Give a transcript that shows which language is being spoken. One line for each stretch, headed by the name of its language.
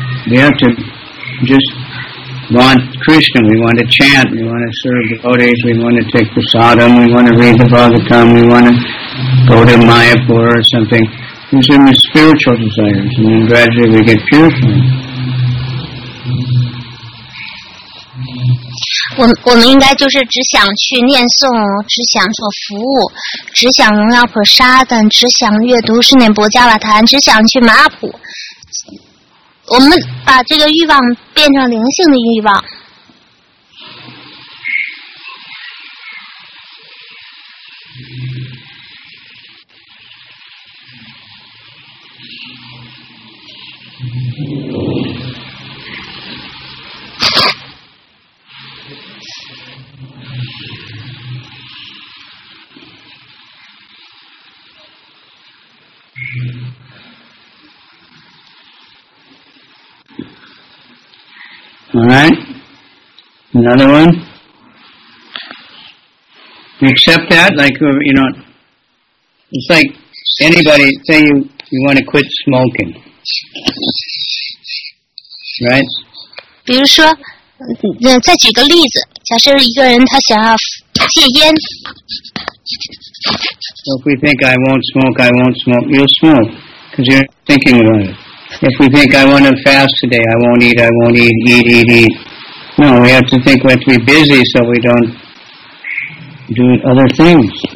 English: We have to just want Krishna, we want to chant, we want to serve devotees, we want to take prasadam, we want to read the Bhagavatam, we want to go to Mayapur or something. These are my spiritual desires, and then gradually we get purified.
Chinese: 我们应该就是只想去念诵，只想做服务，只想荣耀普沙等，只想阅读室内博加瓦坛，只想去马普。我们把这个欲望变成灵性的欲望。
English: Another one. You accept that, like, you know, it's like anybody, say you want to quit smoking. Right?
Chinese: 比如说，再举个例子，假设一个人他想要戒烟。
English: So if we think I won't smoke, I won't smoke, you'll smoke, because you're thinking about it. If we think I want to fast today, I won't eat, I won't eat, eat, eat, eat. No, we have to think we have to be busy so we don't do other things.